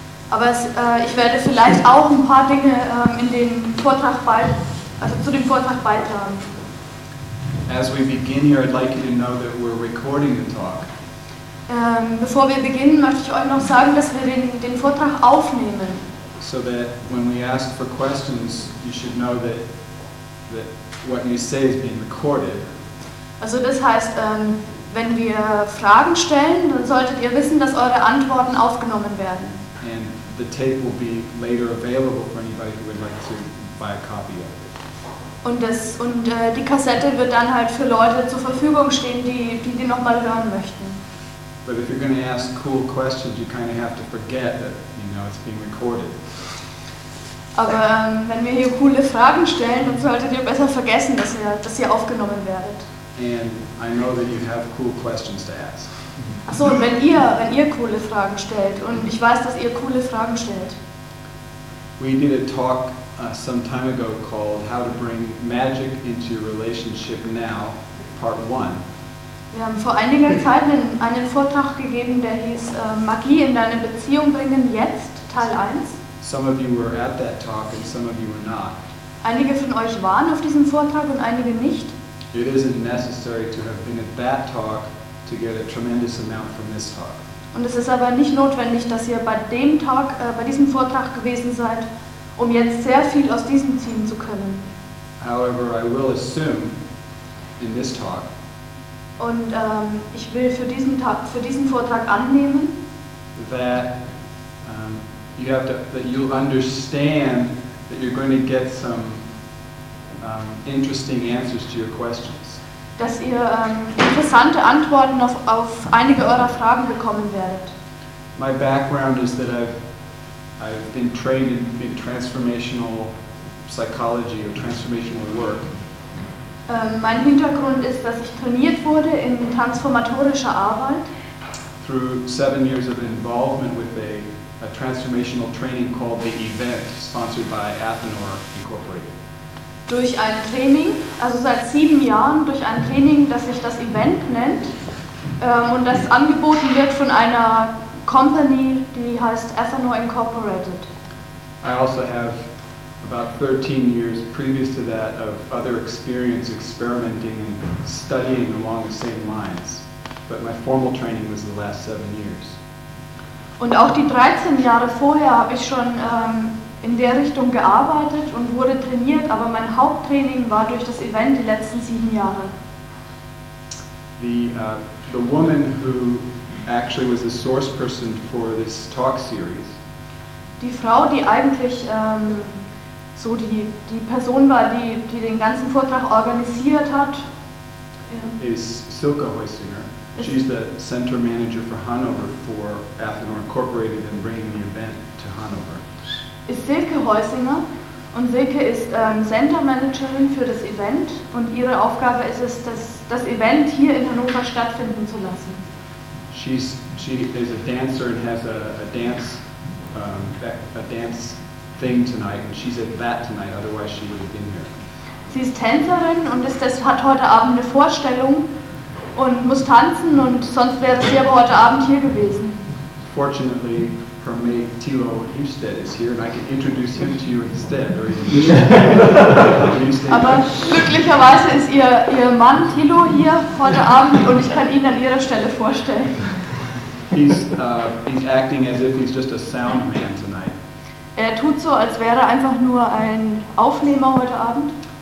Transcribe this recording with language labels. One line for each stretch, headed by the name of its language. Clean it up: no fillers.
German: Aber ich werde vielleicht auch ein paar Dinge in den Vortrag zu dem Vortrag beitragen.
English: As we begin here, I'd like you to know that we're recording the talk.
German: Bevor wir beginnen, möchte ich euch noch sagen, dass wir den Vortrag aufnehmen.
English: So that when we ask for questions, you should know that what you say is being recorded.
German: Also das heißt, wenn wir Fragen stellen, dann solltet ihr wissen, dass eure Antworten aufgenommen werden.
English: And the tape will be later available for anybody who would like to buy a copy of it.
German: Und die Kassette wird dann halt für Leute zur Verfügung stehen, die noch mal hören möchten.
English: But if you're going to ask cool questions, you kind of have to forget that, you know, it's being recorded.
German: Aber wenn wir hier coole Fragen stellen, dann solltet ihr besser vergessen, dass ihr aufgenommen werdet.
English: And I know that you have cool questions to ask.
German: Ach so, und wenn ihr coole Fragen stellt, und ich weiß, dass ihr coole Fragen stellt.
English: We did a talk some time ago called How to Bring Magic into Your Relationship Now, Part 1.
German: Wir haben vor einiger Zeit einen Vortrag gegeben, der hieß Magie in deine Beziehung bringen jetzt, Teil 1.
English: Some of you were at that talk and some of you were not.
German: Einige von euch waren auf diesem Vortrag und einige nicht.
English: It isn't necessary to have been at that talk to get a tremendous amount from this talk.
German: Und es ist aber nicht notwendig, dass ihr bei dem Talk, bei diesem Vortrag gewesen seid, um jetzt sehr viel aus diesem ziehen zu können.
English: However, I will assume in this talk.
German: Und ich will für diesen Vortrag annehmen,
English: that you have to, that you'll understand that you're going to get some interesting answers to your questions.
German: Dass ihr interessante Antworten auf einige eurer Fragen bekommen werdet.
English: My background is that I've been trained in transformational psychology or transformational work.
German: Mein Hintergrund ist, dass ich trainiert wurde in transformatorischer Arbeit.
English: Through 7 years of involvement with a transformational training called the Event, sponsored by Athenor Incorporated.
German: Durch ein Training, also seit 7 Jahren, durch ein Training, das sich das Event nennt, und das angeboten wird von einer Company, die heißt Athenor Incorporated.
English: I also have about 13 years previous to that of other experience experimenting and studying along the same lines, but my formal training was the last 7 years.
German: Und auch die 13 Jahre vorher habe ich schon in der Richtung gearbeitet und wurde trainiert, aber mein Haupttraining war durch das Event die letzten 7 Jahre.
English: The woman who actually was the source person for this talk series.
German: Die Frau, die eigentlich so die Person war, die den ganzen Vortrag organisiert hat,
English: is Silke Heusinger. She's the center manager for Hanover for Athenor Incorporated and bringing the event to Hanover.
German: Ist Silke Heusinger, und Silke ist Center Managerin für das Event, und ihre Aufgabe ist es, das Event hier in Hannover stattfinden zu lassen.
English: She is a dancer and has a dance thing tonight, and she's at that tonight, otherwise she would have been here.
German: Sie ist Tänzerin und hat heute Abend eine Vorstellung und muss tanzen, und sonst wäre sie aber heute Abend hier gewesen.
English: Fortunately for me, Thilo Hustedt is here, and I can introduce him to you instead.
German: Aber glücklicherweise ist ihr Mann Thilo hier heute Abend, und ich kann ihn an ihrer Stelle vorstellen.
English: He's acting as if he's just a sound man tonight.
German: Er tut so, als wäre er einfach nur ein Aufnehmer heute Abend.